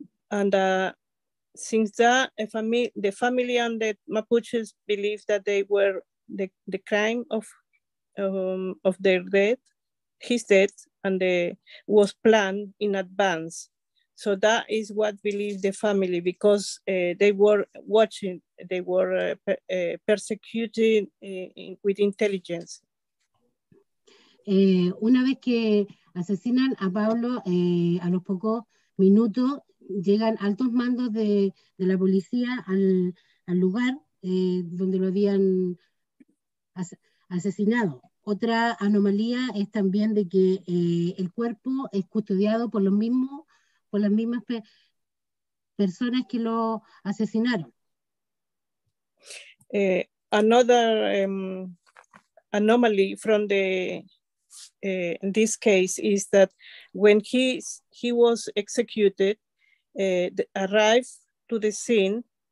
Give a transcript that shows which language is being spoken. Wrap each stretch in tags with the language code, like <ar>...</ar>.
<en>and since that, the family and the Mapuches believed that they were the crime of their death, his death, and was planned in advance. So that is what believed the family, because they were watching, they were persecuted with intelligence.</en> <es>Una vez que asesinan a Pablo, a los pocos minutos, llegan altos mandos de la policía al lugar donde lo habían asesinado. Otra anomalía es también de que el cuerpo es custodiado por las mismas personas que lo asesinaron.</es> <en>Another anomaly from the in this case is that when he was executed, arrived to the scene,</en>